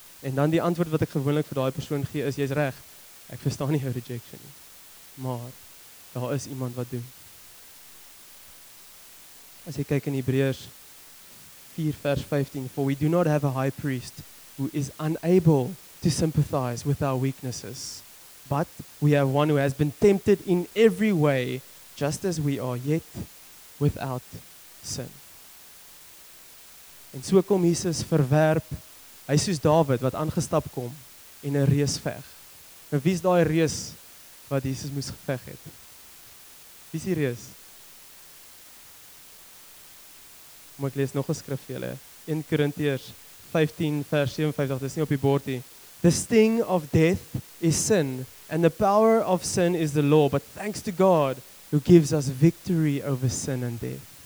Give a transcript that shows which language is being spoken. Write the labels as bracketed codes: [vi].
[af] En dan die antwoord wat ek gewoonlik vir daai persoon gee is, jy is reg, ek verstaan nie jou rejection nie, maar daar is iemand wat doen. As jy kyk in Hebreërs 4 vers 15, [en] for we do not have a high priest who is unable to sympathize with our weaknesses, but we have one who has been tempted in every way just as we are yet without sin. [af] En so kom Jesus verwerp, hy soos David wat aangestap kom en 'n reus veg. En wie is daai reus wat Jesus moes geveg het? Wie is die reus? Kom ek lees nog 'n skrif vir julle. 1 Korintiërs 15 vers 57, dit is nie op die bord nie. [en] The sting of death is sin, and the power of sin is the law, but thanks to God who gives us victory over sin and death.